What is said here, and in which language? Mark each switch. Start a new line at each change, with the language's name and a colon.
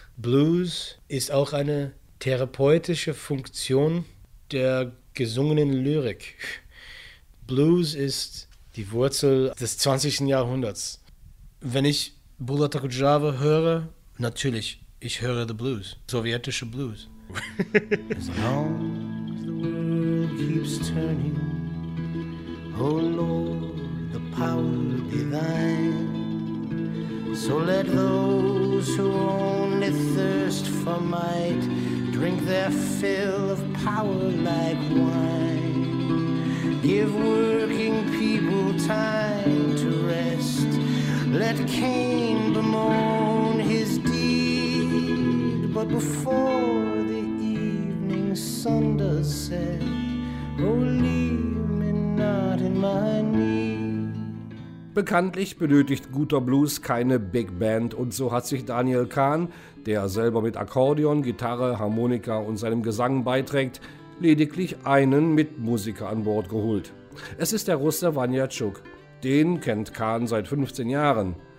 German: Blues ist auch eine therapeutische Funktion der gesungenen Lyrik. Blues ist die Wurzel des 20. Jahrhunderts. Wenn ich Bulat Okudžava höre, natürlich, ich höre the blues, sowjetische blues.
English: As long as the world keeps turning, oh Lord, the power be thine. So let those who only thirst for might drink their fill of power like wine. Give working people time to rest. Let Cain bemoan his deed, but before the evening sun does set, oh, leave me not in my need.
German: Bekanntlich benötigt guter Blues keine Big Band, und so hat sich Daniel Kahn, der selber mit Akkordeon, Gitarre, Harmonika und seinem Gesang beiträgt, lediglich einen Mitmusiker an Bord geholt. Es ist der Russe Vanya Chuk. Den kennt Kahn seit 15 Jahren.